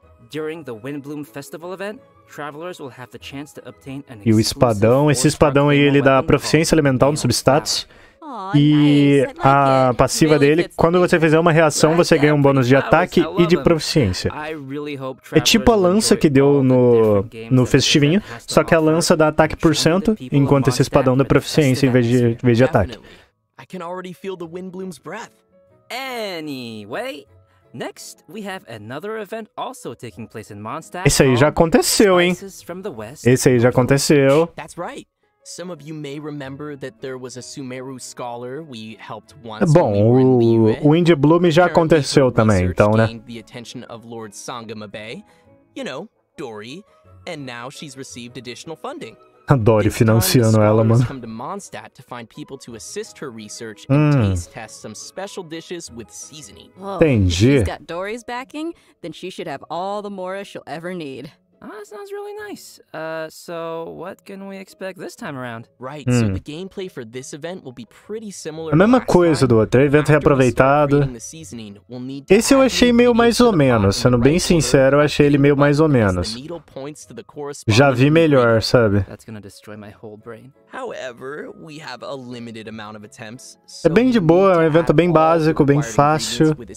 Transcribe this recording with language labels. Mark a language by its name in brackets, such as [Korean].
[English] During the Windbloom Festival event, travelers will have the chance to obtain an [Portuguese] E o espadão, esse espadão aí ele dá proficiência elemental no substats. E a passiva dele, quando você fizer uma reação, você ganha um bônus de ataque e de proficiência. É tipo a lança que deu no festivinho, só que a lança dá ataque por cento, enquanto esse espadão dá proficiência em vez de ataque. [English] I can already feel the Windbloom's breath. Anyway, next we have another event also taking place in Mondstadt. [Portuguese] Esse aí já aconteceu, hein? Esse aí já aconteceu. [English] That's right. Some of you may remember that there was a Sumeru scholar we helped once. [Portuguese] Bom, o Windbloom já aconteceu também, então, né? [English] The attention of Lord Sangamabe, you know, Dory, and now she's received additional funding. [Portuguese] Adoro financiando ela, mano. [English] Come to Mondstadt to find people to assist her research and taste test some special dishes with seasoning. [Portuguese] Entendi. [English] She's got Dory's backing, then she should have all the mora she'll ever need. Ah, sounds really nice. So what can we expect this time around? Right, so the gameplay for this event will be pretty similar. [Portuguese] A mesma coisa do outro, evento reaproveitado. Esse eu achei meio mais ou menos, sendo bem sincero, eu achei ele meio mais ou menos. Já vi melhor, sabe? [English] That's gonna destroy my whole brain. However, we have a limited amount of attempts. [Portuguese] É bem de boa, é um evento bem básico, bem fácil.